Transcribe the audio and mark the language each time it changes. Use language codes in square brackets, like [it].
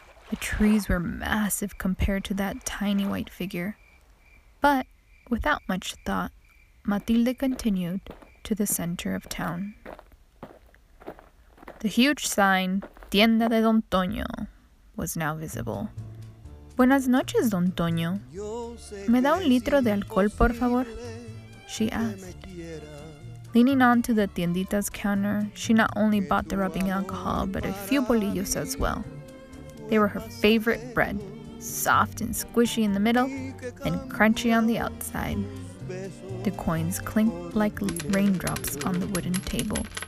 [en] The trees were massive compared to that tiny white figure. But without much thought, Matilde continued to the center of town. The huge sign, Tienda de Don Toño, was now visible. [es] Buenas noches, Don Toño. ¿Me da un litro de alcohol, por favor? [en] she asked. Leaning onto the tiendita's counter, she not only bought the rubbing alcohol, but a few bolillos as well. They were her favorite bread, soft and squishy in the middle and crunchy on the outside. The coins clinked like raindrops on the wooden table.